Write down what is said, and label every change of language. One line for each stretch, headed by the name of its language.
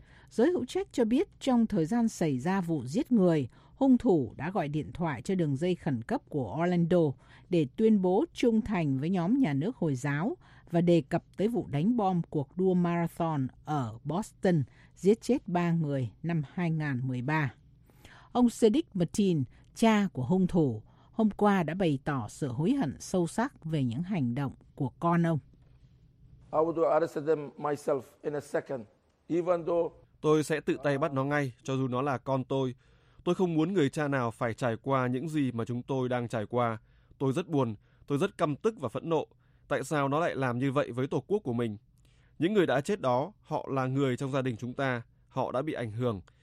Vietnamese: Giới hữu trách cho biết trong thời gian xảy ra vụ giết người, hung thủ đã gọi điện thoại cho đường dây khẩn cấp của Orlando để tuyên bố trung thành với nhóm nhà nước Hồi giáo và đề cập tới vụ đánh bom cuộc đua marathon ở Boston giết chết 3 người năm 2013. Ông Sadiq Martin, cha của hung thủ, hôm qua đã bày tỏ sự hối hận sâu sắc về những hành động của con ông.
English: I would arrest them myself in a second, even though...
Vietnamese: Tôi sẽ tự tay bắt nó ngay, cho dù nó là con tôi. Tôi không muốn người cha nào phải trải qua những gì mà chúng tôi đang trải qua. Tôi rất buồn, tôi rất căm tức và phẫn nộ. Tại sao nó lại làm như vậy với tổ quốc của mình? Những người đã chết đó, họ là người trong gia đình chúng ta. Họ đã bị ảnh hưởng.